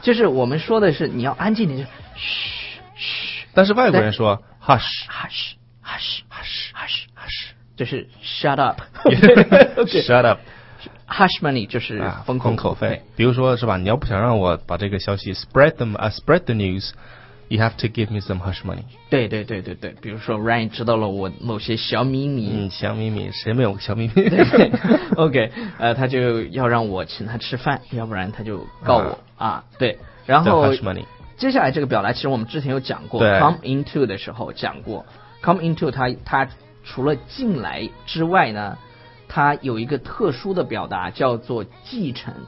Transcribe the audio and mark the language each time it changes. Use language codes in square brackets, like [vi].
[zh] 就是我们说的是你要安静点就嘘嘘但是外国人说 hush [en] hush hush hush hush hush [zh] 就是 [en] shut up okay, shut up [zh] hush money 就是封口、封口费比如说是吧你要不想让我把这个消息 [en] spread the news you have to give me some hush money [zh] 对对对对对比如说 Ryan 知道了我某些小秘密嗯小秘密谁没有小秘密对 OK 他就要让我请他吃饭要不然他就告我 啊对然后 [en] hush money [zh] 接下来这个表达其实我们之前有讲过 come into 的时候讲过 come into 他除了进来之外呢它有一个特殊的表达叫做继承